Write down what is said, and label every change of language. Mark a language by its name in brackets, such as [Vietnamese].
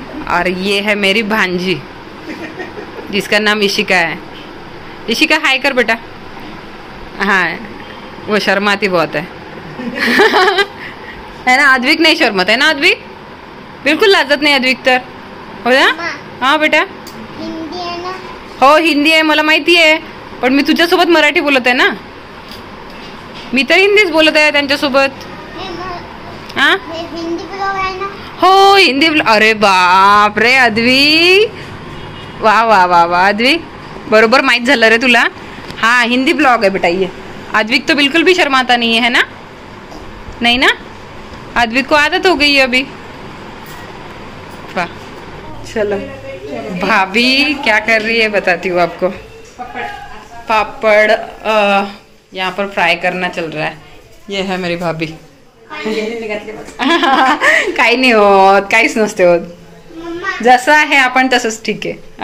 [Hindi] और ये है मेरी भांजी जिसका नाम इशिका है। इशिका हाय कर बेटा। हाँ, वो शर्माती बहुत है। है ना आद्विक, नहीं शर्माता है ना आद्विक, [Marathi] बिल्कुल लाजत नहीं अधिकतर हो ना। [Hindi] हाँ बेटा, हिंदी है ना। [Marathi] हो हिंदी है, मला माहिती आहे, पण मी तुझ्या सोबत मराठी बोलत आहे ना, मी तर हिंदीच बोलत आहे त्यांच्या सोबत। हां, हिंदी ब्लॉग आहे ना। हो हिंदी ब्लॉग। अरे बाप रे अद्वी, वा वा वा वा अद्वी, बरोबर माहित झालं रे तुला। हाँ हिंदी ब्लॉग आहे बेटा ये। [Hindi] अद्विक तो बिल्कुल भी शर्माता नहीं है ना, नहीं ना, अद्विक को आदत हो गई अभी। चलो भाभी क्या कर रही है बताती हूँ आपको। पापड़ यहाँ पर फ्राई करना चल रहा है। ये है मेरी भाभी। [Marathi] काही नहीं होत, काहीच नसते होत, जसं आहे आपण तसंच ठीक आहे।